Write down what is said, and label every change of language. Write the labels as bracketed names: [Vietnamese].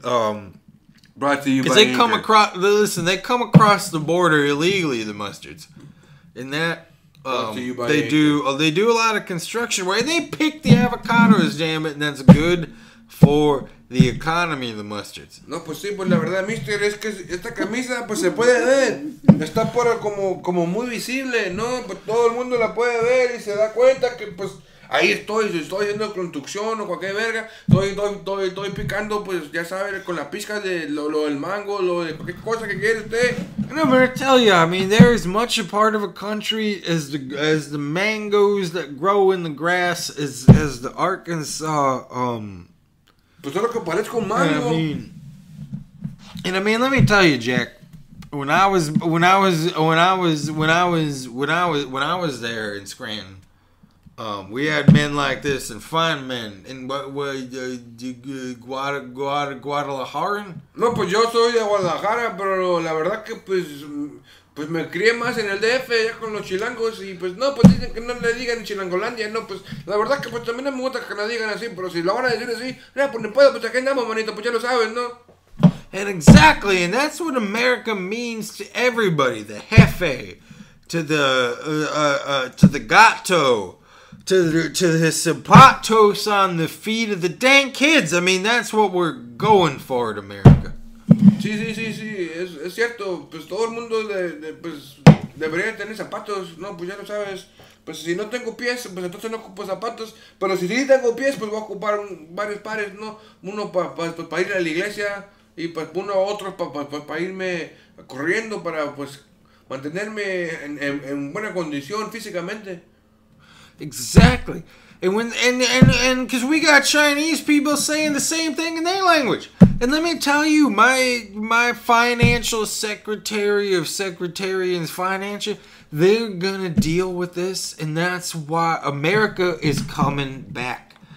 [English] brought to you by Because they Anchor. Come across... Listen, they come across the border illegally, the mustards. And that... they do a lot of construction work. They pick the avocados, damn it, and that's good for the economy of the mustards. [Spanish] No, pues sí, pues la verdad, mister, es que esta camisa, pues se puede ver. Está por como muy visible, ¿no? Pues todo el mundo la puede ver y se da cuenta que, pues, Ahí estoy, si estoy haciendo construcción o cualquier verga, estoy picando, pues ya sabes, con la pizca de lo del mango, lo de cualquier cosa que quiere usted. [English] And I'm gonna tell you, I mean, they're as much a part of a country as the mangoes that grow in the grass as the Arkansas, [Spanish] Pues solo que parezco un mango. [English] And I mean, let me tell you, Jack. When I was there in Scranton, we had men like this and fine men and Guadalajara. [Spanish] No, pues yo soy de Guadalajara, pero la verdad que pues me crié más en el DF ya con los chilangos y pues no, pues dicen que no le digan Chilangolandia, no, pues la verdad que pues también no me gusta que la digan así, pero si lo van a decir así, mira, pues no puedo, pues aquí andamos, manito, pues ya lo sabes, ¿no? [English] And exactly, and that's what America means to everybody. The jefe, to the gato, to the zapatos on the feet of the dang kids. I mean, that's what we're going for in America. [Spanish] Sí, sí, sí, sí, es cierto. Pues todo el mundo pues debería tener zapatos. No, pues ya lo sabes. Pues si no tengo pies, pues entonces no ocupo zapatos. Pero si sí tengo pies, pues voy a ocupar varios pares, ¿no? Uno para ir a la iglesia. Y pues uno a otro para irme corriendo para pues mantenerme en buena condición físicamente. [English] Exactly. And because we got Chinese people saying the same thing in their language. And let me tell you, my financial secretary of secretarians financial, they're gonna deal with this, and that's why America is coming back.